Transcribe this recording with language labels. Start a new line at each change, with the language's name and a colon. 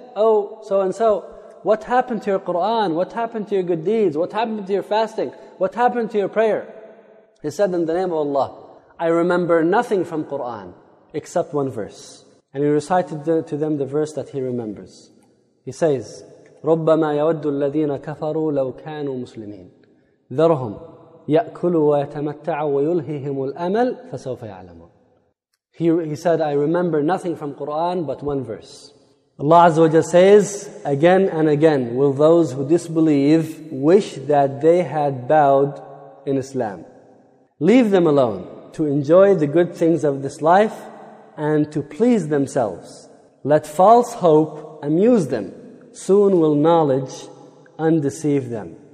English: Oh, so and so, what happened to your Qur'an? What happened to your good deeds? What happened to your fasting? What happened to your prayer? He said, in the name of Allah, I remember nothing from Qur'an except one verse. And he recited to them the verse that he remembers.
Arabic: He says, رُبَّمَا يَوَدُّ الَّذِينَ كَفَرُوا لَوْ كَانُوا مُسْلِمِينَ ذَرْهُمْ يَأْكُلُوا وَيَتَمَتَّعُوا وَيُلْهِهِمُ الْأَمَلُ فَسَوْفَ يَعْلَمُونَ
English: He said, I remember nothing from Qur'an but one verse. Allah Azza wa Jal says, again and again, will those who disbelieve wish that they had bowed in Islam. Leave them alone to enjoy the good things of this life and to please themselves. Let false hope amuse them. Soon will knowledge undeceive them.